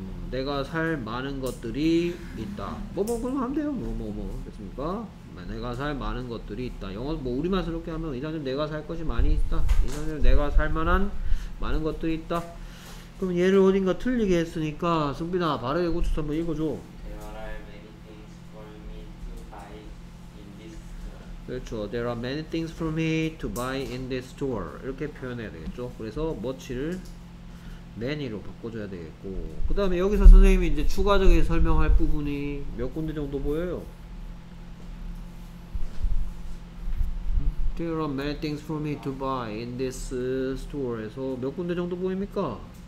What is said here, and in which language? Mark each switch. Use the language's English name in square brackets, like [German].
[Korean] 내가 살 많은 것들이 있다. 뭐뭐 그러면 하면 돼요. 뭐뭐뭐 됐습니까? 내가 살 많은 것들이 있다. 영어 뭐 우리말스럽게 하면 이사님 내가 살 것이 많이 있다. 이사님 내가 살 만한 많은 것들이 있다. 그럼 얘를 어딘가 틀리게 했으니까 승빈아 바르게 고쳐서 한번 읽어줘. [English] There are many things for me to buy in this store. 그렇죠. There are many things for me to buy in this store. [Korean] 이렇게 표현해야 되겠죠. 그래서 much를 many로 바꿔줘야 되겠고, 그 다음에 여기서 선생님이 이제 추가적인 설명할 부분이 몇 군데 정도 보여요? [English] There are many things for me to buy in this store [Korean] 에서 몇 군데 정도 보입니까?